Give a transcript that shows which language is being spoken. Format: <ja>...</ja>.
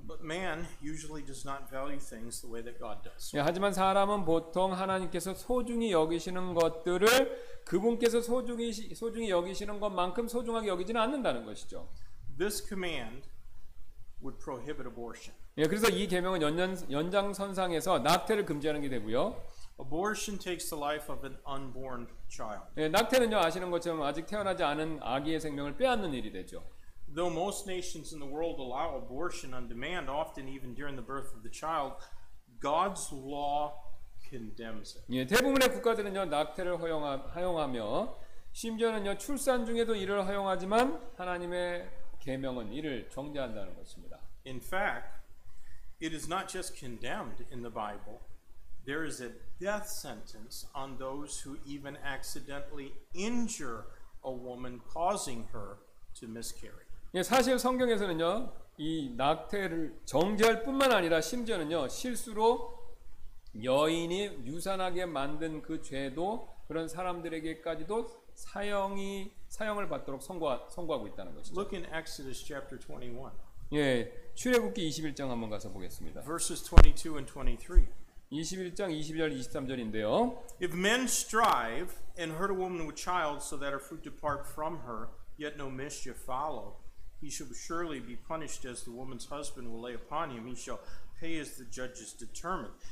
<en>But man usually does not value things the way that God does.</en> <ko>예, 하지만 사람은 보통 하나님께서 소중히 여기시는 것들을 그분께서 소중히 여기시는 것만큼 소중하게 여기지는 않는다는 것이죠.</ko> <en>This command would prohibit abortion.</en> <ko>예, 그래서 이 계명은 연장선상에서 낙태를 금지하는 게 되고요.</ko> <en>Abortion takes the life of an unborn child.</en> <ko>예, 낙태는요 아시는 것처럼 아직 태어나지 않은 아기의 생명을 빼앗는 일이 되죠.</ko> <en>Though most nations in the world allow abortion on demand, often even during the birth of the child, God's law condemns it.</en> <ko>예, 대부분의 국가들은요 낙태를 허용하며 심지어는요 출산 중에도 이를 허용하지만 하나님의 계명은 이를 정죄한다는 것입니다.</ko> <en>In fact, it is not just condemned in the Bible. There is a death sentence on those who even accidentally injure a woman, causing her to miscarry.</en> <ko>예, 사실 성경에서는요 이 낙태를 정죄할 뿐만 아니라 심지어는요 실수로 여인이 유산하게 만든 그 죄도 그런 사람들에게까지도 사형을 받도록 선고하고 있다는 것이죠.</ko> <en>Look in Exodus chapter 21.</en> <ko>예, 출애굽기 21장 한번 가서 보겠습니다.</ko> <en>Verses 22 and 23.</en> <ko>21장 22절 23절인데요.</ko> <en>If men strive and hurt a woman with child so that her fruit depart from her, yet no mischief follow, he shall surely be punished as the woman's husband will lay upon him. He shall pay as the judges determine.</en>